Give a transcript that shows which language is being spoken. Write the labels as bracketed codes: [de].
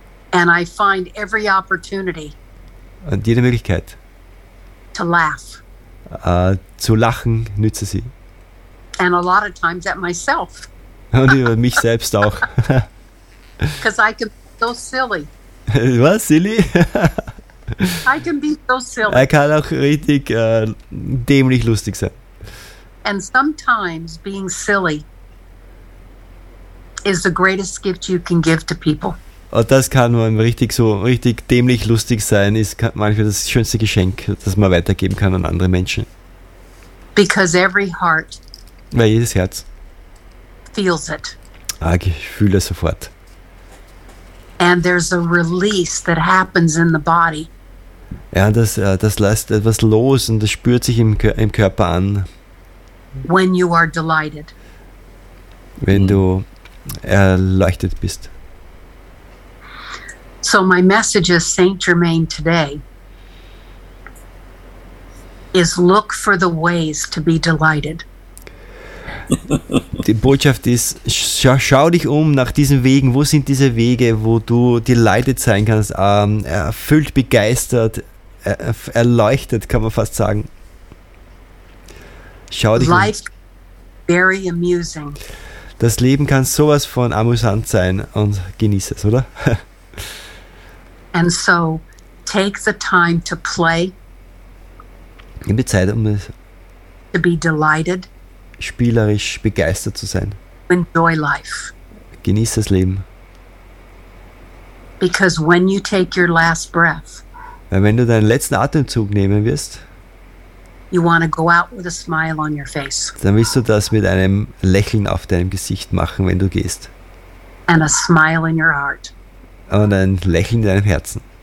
[en] And I find every opportunity. [de] Und jede Möglichkeit. [en] To laugh. [de] Zu lachen nütze sie. [en] And a lot of times at myself. [de] Und über mich selbst auch. [en] Because I can be so silly. [de] Was, silly? [en] I can be so silly. [de] Er kann auch richtig dämlich lustig sein. [en] And sometimes being silly is the greatest gift you can give to people. [de] Und das kann man richtig so richtig dämlich lustig sein, ist manchmal das schönste Geschenk, das man weitergeben kann an andere Menschen. [en] Because every heart, [de] weil jedes Herz [en] feels it. [de] Ich fühle es sofort. [en] And there's a release that happens in the body. [de] Ja, das lässt etwas los und das spürt sich im Körper an. [en] When you are delighted. [de] Wenn du erleuchtet bist. [en] So my message is Saint Germain today is look for the ways to be delighted. [de] Die Botschaft ist, schau dich um nach diesen Wegen, wo sind diese Wege, wo du delighted sein kannst, erfüllt, begeistert, erleuchtet, kann man fast sagen. Schau dich [en] Life [de] um. [en] Very amusing. [de] Das Leben kann sowas von amüsant sein und genieß es, oder? [en] And so, take the time to play. [de] Nimm die Zeit, um es [en] to be delighted. [de] Spielerisch begeistert zu sein. [en] Enjoy life. [de] Genieß das Leben. [en] Because when you take your last breath, [de] weil wenn du deinen letzten Atemzug nehmen wirst, [en] you want to go out with a smile on your face. [de] Dann willst du das mit einem Lächeln auf deinem Gesicht machen, wenn du gehst. [en] And a smile in your heart. [de] Und ein Lächeln in deinem Herzen.